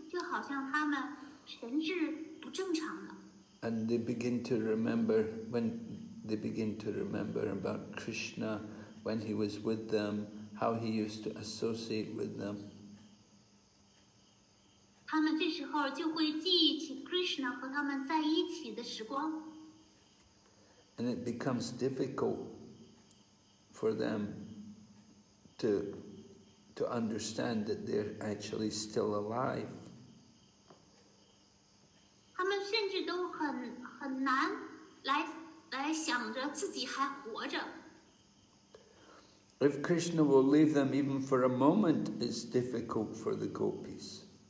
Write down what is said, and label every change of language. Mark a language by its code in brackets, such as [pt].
[zh] 当勾皮们处在这种分离情感当中的时候，他们几乎是无法思考、无法行动，就好像他们神志不正常了。 [en] And they begin to remember, when they begin to remember about Krishna, when he was with them, how he used to associate with them. And it becomes difficult for them to understand that they're actually still alive. [zh] 他们甚至都很难来想着自己还活着。 [en] If Krishna will leave them even for a moment, it's difficult for the gopis.